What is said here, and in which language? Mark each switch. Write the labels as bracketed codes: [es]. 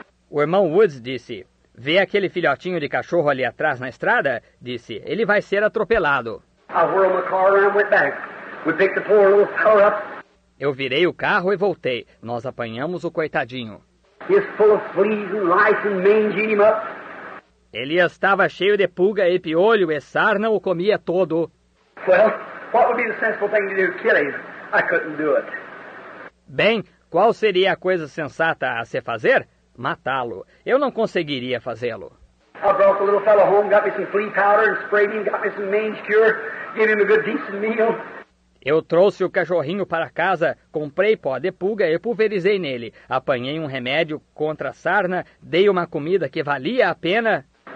[pt] O irmão Woods disse, vê aquele filhotinho de cachorro ali atrás na estrada? Disse, ele vai ser atropelado. [en] I whirled my car around and went back. We picked the poor little fellow up. [pt] Eu virei o carro e voltei. Nós apanhamos o coitadinho. [en] He is full of fleas and lice and mange eating him up. [pt] Ele estava cheio de pulga e piolho e sarna o comia todo. [en] Well, what would be the sensible thing to do, Kitty? I couldn't do it. [pt] Bem, qual seria a coisa sensata a se fazer? Matá-lo. Eu não conseguiria fazê-lo. [en] I brought the little fellow home, got me some flea powder and sprayed him, got me some mange cure, gave him a good decent meal. [pt] Eu trouxe o cachorrinho para casa, comprei pó de pulga e pulverizei nele. Apanhei um remédio contra a sarna, dei uma comida que valia a pena.